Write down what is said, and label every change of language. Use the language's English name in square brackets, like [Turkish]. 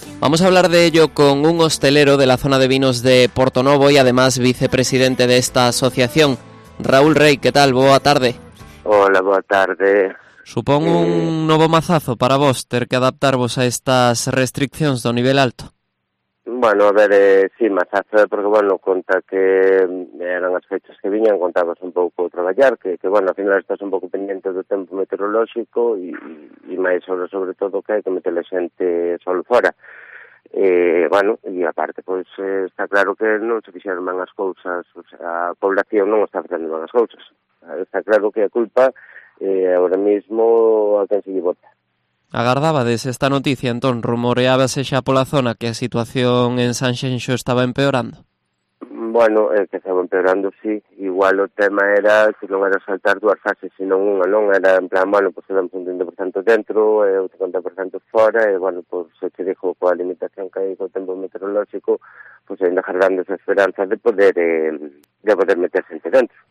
[Spanish] Vamos a hablar de ello con un hostelero de la zona de vinos de Portonovo y además vicepresidente de esta asociación. Raúl Rey, ¿qué tal? [Galician] Boa tarde. Hola, boa tarde. [Spanish] Supongo un nuevo mazazo [Galician] para vos, ter que adaptarvos a estas restricciones do nivel alto. Bueno, a ver, sí, mazazo, porque, bueno, conta que eran as fechas que viñan, contabas un pouco a traballar, que, bueno, al final estás un pouco pendiente do tempo meteorolóxico e máis sobre todo que hai que meter a xente solo fora. Bueno, e aparte, pois, está claro que non se fixeron ben as cousas, o sea, a población non está facendo ben as cousas. Está claro que a culpa, [Spanish] ahora mismo, [Galician] a quen se lle bota. Agardabades esta noticia, entón, rumoreábase xa pola zona que a situación en Sanxenxo estaba empeorando? Bueno, que estaba empeorando, sí. Igual o tema era que non era saltar dúas fases, sino unha, non? Era en plan, bueno, pues eramos un 30% dentro, un 30% fora, e, bueno, pues, se dixo coa limitación que hai co tempo meteorolóxico, pues, ainda agardando esa esperanza de poder meter xente dentro.